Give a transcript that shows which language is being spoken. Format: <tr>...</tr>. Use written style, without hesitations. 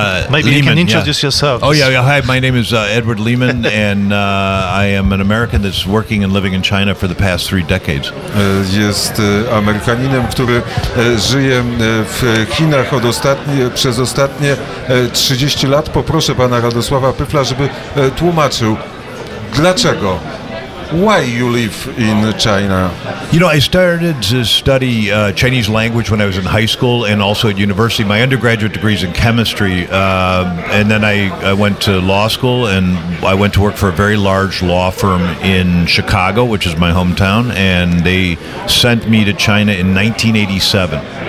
<en>Maybe Lehman, you can introduce yourself. Oh, yeah, yeah. Hi, my name is Edward Lehman, and I am an American that's working and living in China for the past three decades.</en> <pl>Jest Amerykaninem, który żyje w Chinach przez ostatnie 30 lat. Poproszę pana Radosława Pyfla, żeby tłumaczył, dlaczego.</pl> <en>Why you live in China? You know, I started to study Chinese language when I was in high school and also at university. My undergraduate degree is in chemistry, and then I went to law school, and I went to work for a very large law firm in Chicago, which is my hometown, and they sent me to China in 1987.</en>